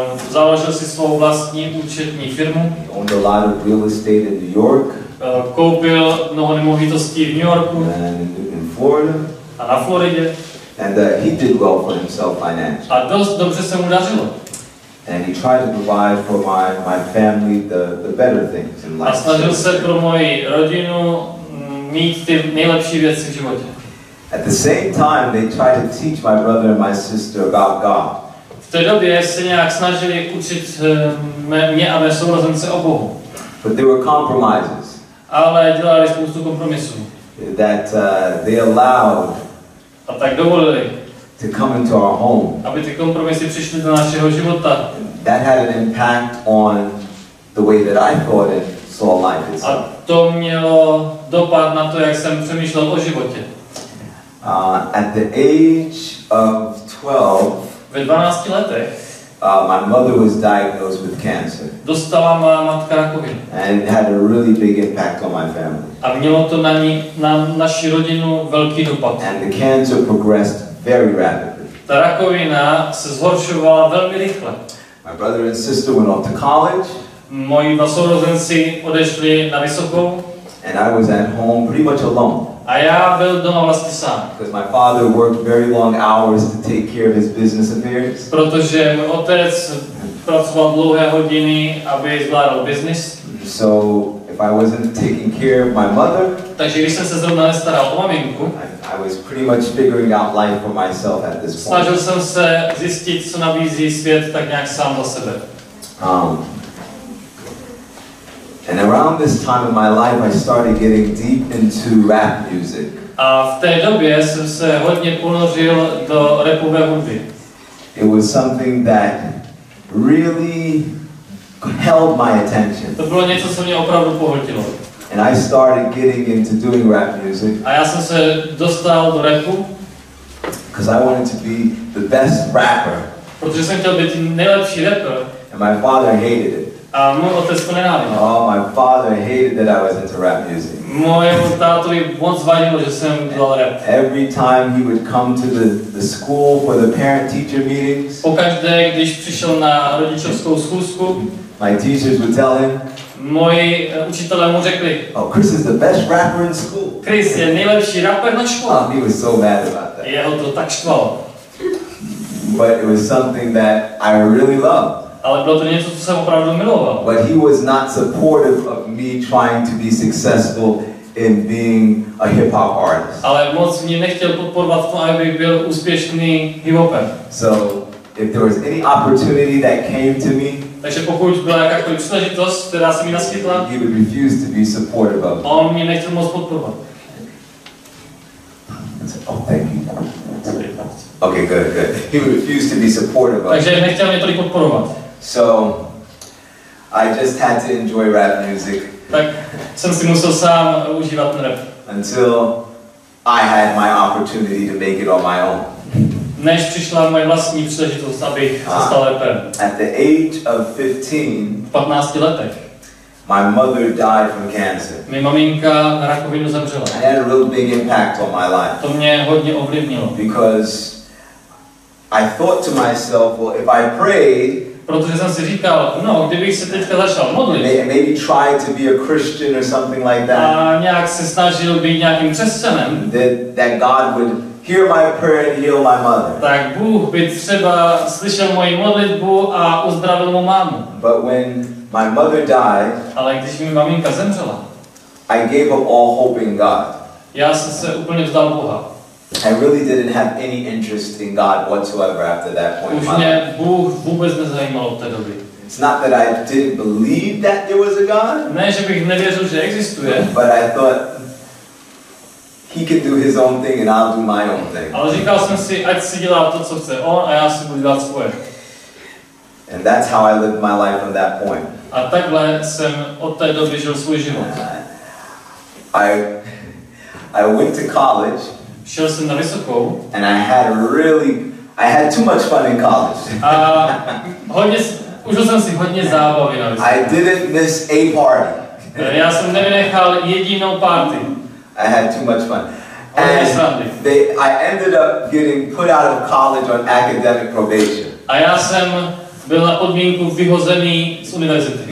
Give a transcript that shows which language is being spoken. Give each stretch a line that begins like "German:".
Czech: Založil si svou vlastní účetní firmu.
English: He owned a lot of real estate in New York.
Czech: Koupil mnoho nemovitostí v New Yorku.
English: Florida.
Czech: A na Floridě.
English: And he did well for himself financially.
Czech: A dost dobře se mu dařilo.
English: And he tried to provide for my family the better things in life.
Czech: A snažil se pro moji rodinu mít ty nejlepší věci v životě.
English: At the same time, they tried to teach my brother and my sister about God.
Czech: V té době se nějak snažili učit mě a mé sourozence o Bohu.
English: But there were compromises.
Czech: Ale dělali spoustu kompromisů.
English: That they allowed
Czech: a tak dovolili
English: to come into our home.
Czech: Aby ty kompromisy přišly do našeho života.
English: That had an impact on the way that I thought and saw life itself.
Czech: A to mělo dopad na to, jak jsem přemýšlel o životě.
English: At the age of 12,
Czech: ve 12 letech
English: my mother was diagnosed with cancer.
Czech: Dostala má matka rakovinu.
English: And it had a really big impact on my family.
Czech: A mělo to na ní, na naši rodinu velký dopad.
English: And the cancer progressed very rapidly.
Czech: Ta rakovina se zhoršovala velmi rychle.
English: My brother and sister went off to college.
Czech: Moji dva sourozenci odešli na vysokou. A
English: And I was at home pretty much alone.
Czech: A já byl doma vlastně sám.
English: Because my father worked very long hours to take care of his business affairs.
Czech: Protože můj otec pracoval dlouhé hodiny, aby zvládal business.
English: So if I wasn't taking care of my mother,
Czech: takže když jsem se zrovna nestaral o maminku,
English: I was pretty much figuring out life for myself at this point.
Czech: Snažil jsem se zjistit, co nabízí svět, tak nějak sám za sebe.
English: And around this time in my life, I started getting deep into rap music.
Czech: A v té době jsem se hodně ponořil do rapové hudby.
English: It was something that really held my attention.
Czech: To bylo něco, co mě opravdu pohltilo.
English: And I started getting into doing rap music.
Czech: A já jsem se dostal do rapu.
English: Because I wanted to be the best rapper.
Czech: Protože jsem chtěl být nejlepší rapper.
English: And my father hated it.
Czech: A můj otec to nenáviděl.
English: Oh, my father hated that I was into rap music.
Czech: Mojemu tátovi moc vadilo, že jsem dělal rap.
English: Every time he would come to the school for the parent teacher meetings.
Czech: Pokaždé, když přišel na rodičovskou schůzku,
English: my teachers would tell him.
Czech: Moji učitelé mu řekli.
English: Oh, Chris is the best rapper in school.
Czech: Chris je nejlepší rapper na škole.
English: Oh, he was so mad about that.
Czech: Jeho to tak štvalo.
English: But it was something that I really loved.
Czech: Ale bylo to něco, co jsem opravdu miloval.
English: But he was not supportive of me trying to be successful in being a hip hop artist.
Czech: Ale moc mě nechtěl podporovat v tom, abych byl úspěšný hip hoper.
English: So if there was any opportunity that came to me,
Czech: takže pokud byla jakákoliv příležitost, která se mi naskytla,
English: he would refuse to be supportive of.
Czech: On mě nechtěl moc podporovat.
English: Oh, thank you. Okay, good, good. He would refuse to be supportive of.
Czech: Takže nechtěl mě tolik podporovat.
English: So, I just had to enjoy rap music.
Czech: Tak jsem si musel sám užívat ten rap.
English: Until I had my opportunity to make it on my own.
Czech: Než přišla moje vlastní příležitost, abych se stal rapem.
English: At the age of 15,
Czech: v 15 letech,
English: my mother died from cancer.
Czech: Mi maminka na rakovinu zemřela.
English: It had a real big impact on my life.
Czech: To mě hodně ovlivnilo.
English: Because I thought to myself, well, if I prayed,
Czech: protože jsem si říkal, no, kdybych se teďka začal modlit.
English: Maybe try to be a Christian or something like that.
Czech: A nějak se snažil být nějakým křesťanem.
English: That God would hear my prayer and heal my mother.
Czech: Tak Bůh by třeba slyšel moji modlitbu a uzdravil mou mámu.
English: But when my mother died,
Czech: ale když mi maminka zemřela,
English: I gave up all hope in God.
Czech: Já jsem se úplně vzdal Boha.
English: I really didn't have any interest in God whatsoever after that point.
Czech: Už mě Bůh vůbec nezajímal od té doby.
English: It's not that I didn't believe that there was a God.
Czech: Ne, že bych nevěřil, že existuje.
English: But I thought he can do his own thing and I'll do my own thing.
Czech: Ale říkal jsem si, ať si dělá to, co chce on, a já si budu dělat svoje.
English: And that's how I lived my life from that point.
Czech: A takhle jsem od té doby žil svůj život.
English: I went to college.
Czech: Šel jsem na vysokou.
English: And I had too much fun in college.
Czech: Užil jsem si hodně zábavy na vysokou.
English: I didn't miss a party.
Czech: Já jsem nevynechal jedinou party.
English: I had too much fun. And I ended up getting put out of college on academic probation.
Czech: A já jsem byl na podmínku vyhozený z univerzity.